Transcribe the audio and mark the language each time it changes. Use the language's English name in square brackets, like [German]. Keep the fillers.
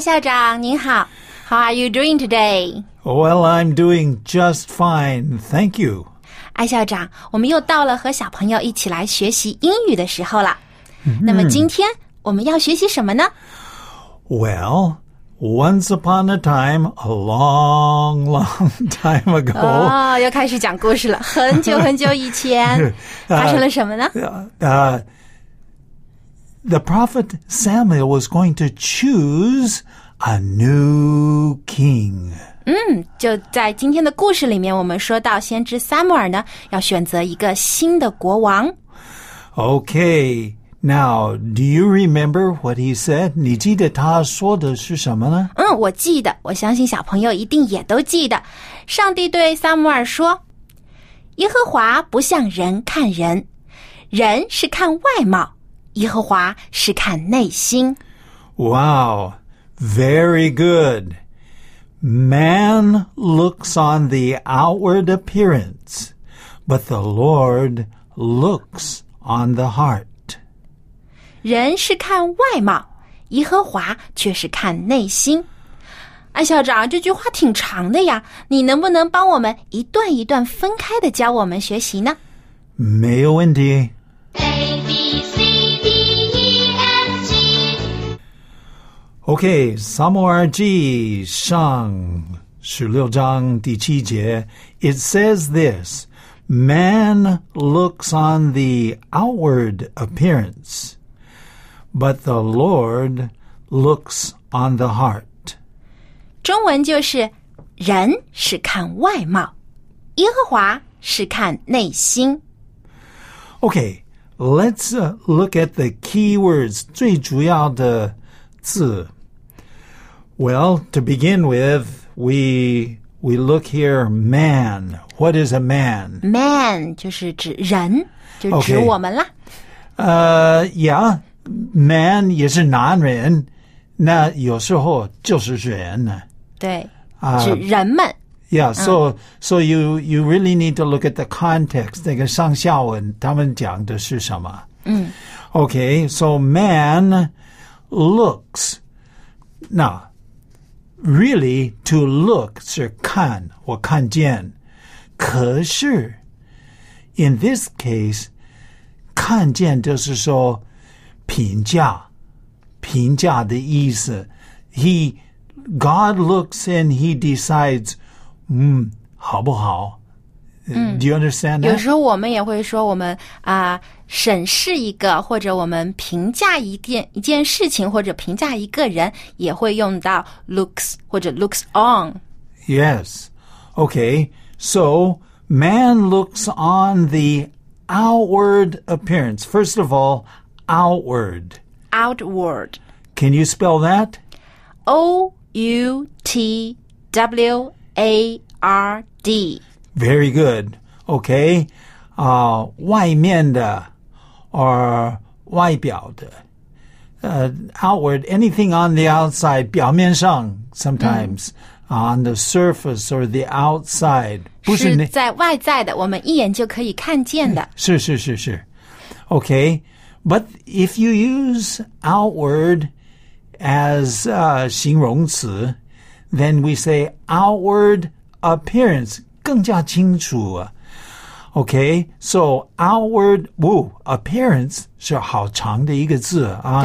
[Chinese] 校长您好， [English] How are you doing today? Well, I'm doing just fine. Thank you。 [Chinese] 艾校长，我们又到了和小朋友一起来学习英语的时候了。那么今天我们要学习什么呢 [English] ？Well, once upon a time, a long, long time ago. 哦， [Chinese] 又开始讲故事了。很久很久以前，发生了什么呢 [English] ？The prophet Samuel was going to choose a new king. [Chinese] 嗯，就在今天的故事里面，我们说到先知撒母耳呢要选择一个新的国王。 [English] Okay. Now, do you remember what he said? [Chinese] 你记得他说的是什么呢？嗯，我记得，我相信小朋友一定也都记得。上帝对萨姆尔说：“耶和华不像人看人，人是看外貌，耶和华是看内心。 [English] ” Wow, very good. Man looks on the outward appearance, but the Lord looks on the heart. [Chinese] 人是看外貌，耶和华却是看内心。安校长，这句话挺长的呀，你能不能帮我们一段一段分开的教我们学习呢？没有问题。 [English] A B C D E F G。 [Chinese] OK，s u m e r G 上十六章第七节。 [English] It says this man looks on the outward appearance. but the Lord looks on the heart. [Chinese] 中文就是人是看外貌，耶和华是看内心。 [English] Okay, let's uh, look at the keywords [Chinese] 最主要的字。 [English] Well, to begin with, we we look here man. What is a man? [Chinese] Man 就是指人，就指我们啦。 [English] Okay. [Chinese] Uh, yeah, man 也是男人，那有时候就是人呢。对，啊，是人 [English] 们。Yeah, uh, so、嗯、so you you really need to look at the context [Chinese] 那个上下文他们讲的是什么？ [English] 嗯，Okay, so man looks now. Really, to look [Chinese] 是看，我看见。可是， [English] in this case， [Chinese] 看见就是说。评价，评价的意思。 [English] He God looks and he decides，嗯， [Chinese] 好不好？ [English] 嗯，Do you understand？、That? 有时 [Chinese] 候我们也会说，我们啊、呃，审视一个或者我们评价一件一件事情或者评价一个人，也会用到 uh, looks 或者 looks on。 [English] Yes. Okay. So man looks on the outward appearance. First of all, outward. Outward. Can you spell that? O U T W A R D. Very good. Okay. [Chinese] Uh, 外面的 or 外表的. [English] Uh, outward, anything on the outside, 表面上, sometimes, on the surface or the outside. [Chinese] 是在外在的,我们一眼就可以看见的。是是是是。Okay. [English] But if you use outward as uh, 形容詞, then we say outward appearance [Chinese] 更加清楚。 Okay, so outward woo appearance 是好长的一个字啊。